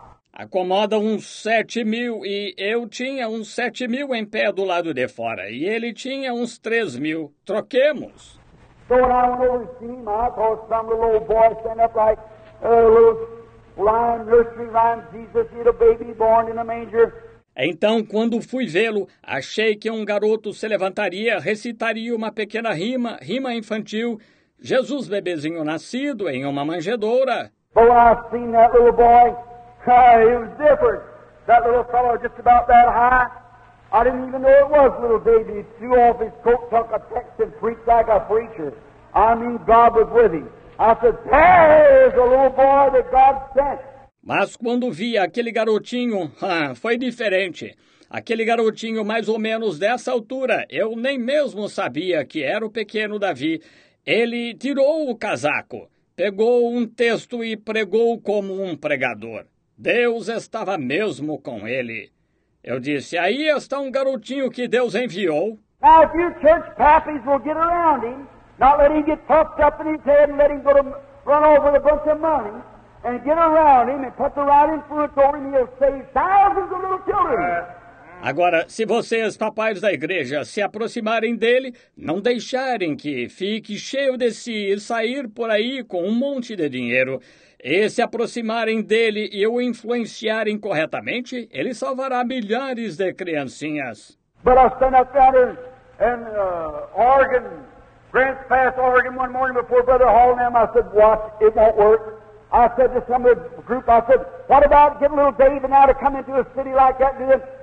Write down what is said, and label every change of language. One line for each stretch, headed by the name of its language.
Portuguese: Acomoda uns 7 mil e eu tinha uns 7 mil em pé do lado de fora e ele tinha uns 3 mil. Troquemos.
English: So when I went over to see him, I saw some little old boy stand up like a little lion nursery rhyme, Jesus, he had a baby born in a manger.
Portuguese: Então, quando fui vê-lo, achei que um garoto se levantaria, recitaria uma pequena rima, rima infantil, Jesus, bebezinho nascido em uma manjedoura.
English: But when I seen that little boy, he was different. That little fellow just about that high. I didn't even know it was a little baby. He threw off his coat, took a text, and preached like a preacher. I mean, God was with him. I said, there's a little boy that God sent.
Portuguese: Mas quando vi aquele garotinho, foi diferente. Aquele garotinho mais ou menos dessa altura, eu nem mesmo sabia que era o pequeno Davi. Ele tirou o casaco, pegou um texto e pregou como um pregador. Deus estava mesmo com ele. Eu disse, aí está um garotinho que Deus enviou.
English: Now, if your church pappies will get around him, not let him get puffed up in his head and let him go to run over with a bunch of money, and get around him and put the right influence over him, he'll save thousands of little children.
Portuguese: Agora, se vocês, papais da igreja, se aproximarem dele, não deixarem que fique cheio de si e sair por aí com um monte de dinheiro, e se aproximarem dele e o influenciarem corretamente, ele salvará milhares de criancinhas.
English: But I stand up there in Oregon, Grants Pass, Oregon, one morning before Brother Hall and them, I said, watch, it won't work. I said to some of the group, I said, what about getting little David now to come into a city like that and do this?